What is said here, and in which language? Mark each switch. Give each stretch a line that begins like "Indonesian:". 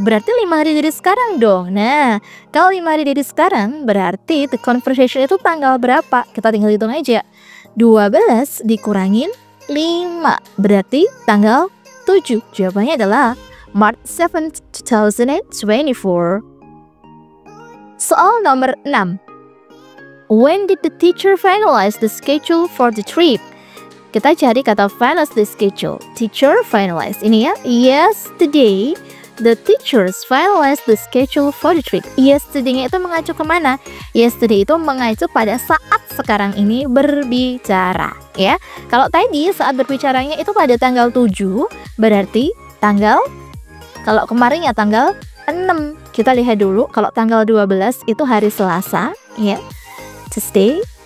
Indonesian: Berarti 5 hari dari sekarang dong. Nah, kalau 5 hari dari sekarang, berarti the conversation itu tanggal berapa? Kita tinggal hitung aja. 12 dikurangin 5 berarti tanggal 7. Jawabannya adalah March 7th, 2024. Soal nomor 6.
English: When did the teacher finalize the schedule for the trip?
Indonesian: Kita cari kata
English: finalize the schedule.
Indonesian: Teacher finalize. Ini ya.
English: Yesterday, the teachers finalized the schedule for the trip.
Indonesian: Yesterday-nya itu mengacu kemana? Yesterday itu mengacu pada saat sekarang ini berbicara. Ya, kalau tadi saat berbicaranya itu pada tanggal 7, berarti tanggal, kalau kemarin ya tanggal 6. Kita lihat dulu, kalau tanggal 12 itu hari Selasa, ya, Tuesday.